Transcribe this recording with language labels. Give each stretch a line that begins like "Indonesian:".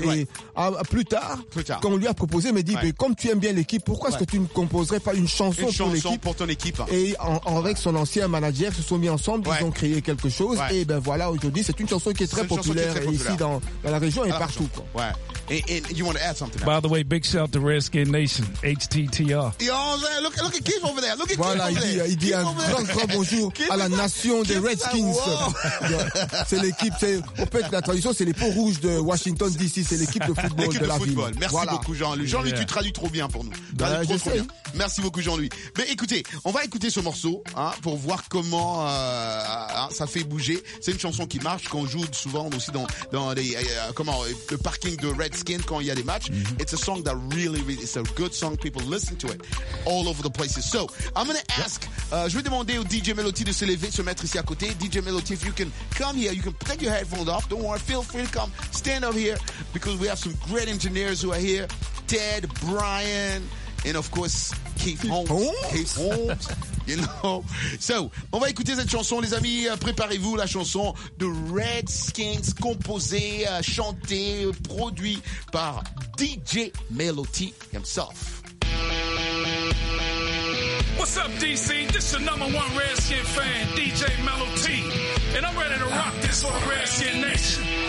French: Et plus tard, quand on lui a proposé, il m'a dit, comme tu aimes bien l'équipe, pourquoi est-ce que tu ne composerais pas une chanson pour ton équipe. Et avec son ancien manager, se sont mis ensemble, ils ont créé quelque chose. Ouais. Et ben voilà, aujourd'hui, c'est une chanson qui est très populaire, ici dans la région et partout. Quoi.
English: Ouais. And you want to add something? By the way, big shout out to Redskin Nation, HTTR. You know what I'm saying? Look at Keith over there. Look at
French: Il dit un grand bonjour à la nation des Redskins. C'est l'équipe, la tradition, c'est les peaux rouges de Washington DC. C'est l'équipe de football de la ville. Merci beaucoup, Jean-Louis. Jean-Louis, tu traduis trop bien pour nous. Traduis trop bien. Merci beaucoup, Jean-Louis. Mais écoutez, on va écouter ce morceau. hein, pour voir comment ça fait bouger. C'est une chanson qui marche, qu'on joue souvent aussi dans les le parking de Redskins quand il y a des matchs. Mm-hmm.
English: It's a song that really it's a good song. People listen to it all over the places. So I'm gonna ask.
French: Je vais demander au DJ Melody de se lever, de se mettre ici à côté.
English: DJ Melody, if you can come here, you can take your headphones off. Don't worry, feel free to come. Stand up here because we have some great engineers who are here. Ted, Brian, and of course, Keith Holmes. You know.
French: So, on va écouter cette chanson, les amis. Préparez-vous, la chanson de Redskins, composée, chantée, produite par DJ Melody himself.
English: What's up, DC? This is the number one Redskin fan, DJ Melo T. And I'm ready to rock this for Redskin Nation.